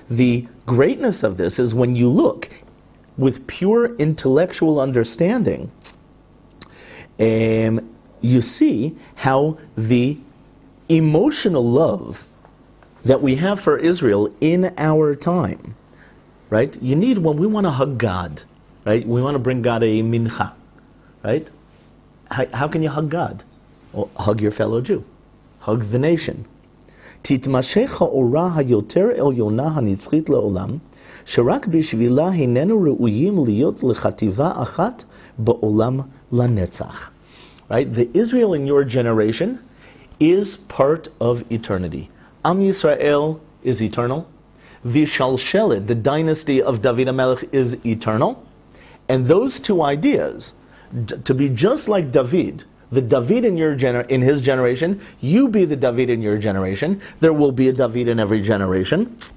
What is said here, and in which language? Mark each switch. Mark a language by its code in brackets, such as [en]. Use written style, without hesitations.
[en] The greatness of this is when you look with pure intellectual understanding, you see how the emotional love that we have for Israel in our time, right? You need, when we want to hug God, right? We want to bring God a mincha, right? How can you hug God? Well, hug your fellow Jew. Hug the nation. [he] תתמשך האורה היותר עליונה הנצחית לעולם, שרק בשבילה היננו ראויים להיות לחטיבה אחת בעולם לנצח. [en] Right? The Israel in your generation is part of eternity. Am Yisrael is eternal. Vishalshelet, the dynasty of David HaMelech, is eternal. And those two ideas, to be just like David, the David in your in his generation, you be the David in your generation, there will be a David in every generation.